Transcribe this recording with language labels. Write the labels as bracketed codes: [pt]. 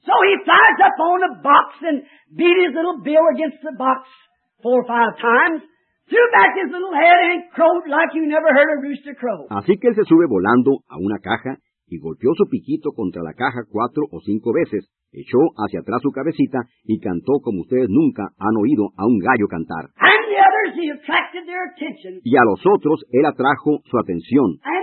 [en] So he flies up on a box and beat his little bill against the box 4 or 5 times, threw back his little head and crowed like you never heard a rooster crow. [es] Así que él se sube volando a una caja y golpeó su piquito contra la caja 4 o 5 veces, echó hacia atrás su cabecita y cantó como ustedes nunca han oído a un gallo cantar. [en] And the others, he attracted their attention. [es] Y a los otros, él atrajo su atención.